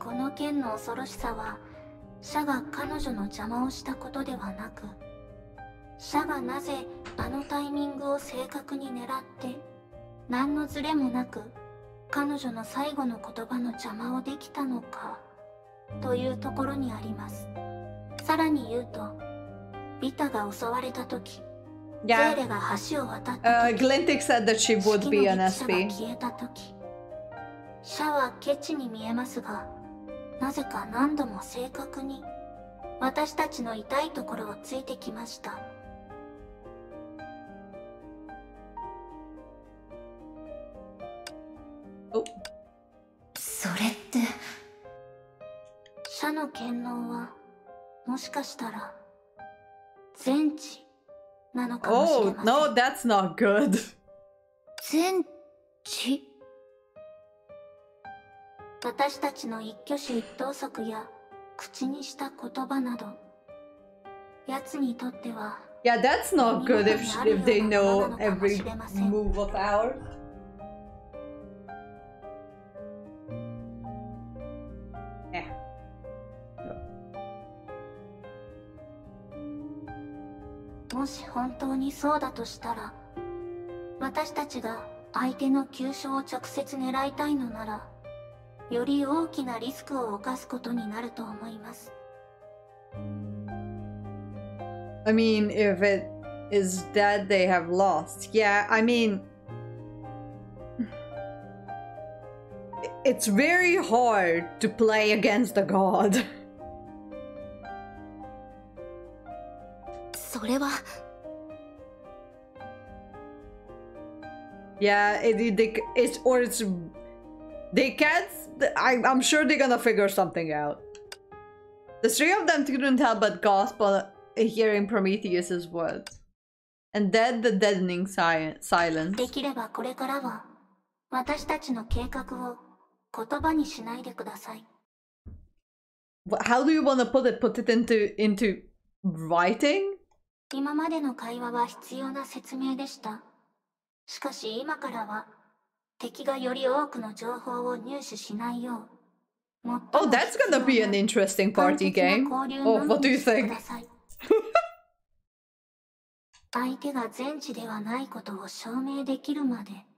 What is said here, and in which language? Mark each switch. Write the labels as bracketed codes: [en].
[ja] この件の恐ろしさは、シャが彼女の邪魔をしたことではなく、シャがなぜあのタイミングを正確に狙って何のズレもなく彼女の最後の言葉の邪魔をできたのかというところにあります。さらに言うとビタが襲われた時、 [en] yeah. [ja] ゼーレが橋を渡った時、 [en] Glintik said that she would be an SP. [ja] 式の列車が消えた時、シャはケチに見えますが、なぜか何度も正確に私たちの痛いところをついてきました。それって社の権能はもしかしたら全知なのかもしれません。 [en] Oh, no, that's not good. [ja] 全知、私たちの一挙手一投足や口にした言葉など奴にとっては、 [en] Yeah, that's not good if they know every move of ours. [ja] もし本当にそうだとしたら、私たちが相手の急所を直接狙いたいのなら、より大きなリスクを犯すことになると思います。 [en] I mean, if it is that they have lost, yeah, I mean, it's very hard to play against a god. [ja] それは。 [en] Yeah, they can't. I'm sure they're gonna figure something out. The three of them couldn't help but gasp on hearing Prometheus's words, and then the deadening silence. [ja] できればこれからは私たちの計画を言葉にしないでください。 [en] How do you want to put it into writing? [ja] 今までの会話は必要な説明でした。しかし今からは敵がより多くの情報を入手しないよう、もっと、 [en] oh, that's gonna be an interesting party game. Oh, what do you think? [ja] 相手が全知ではないことを証明できるまで。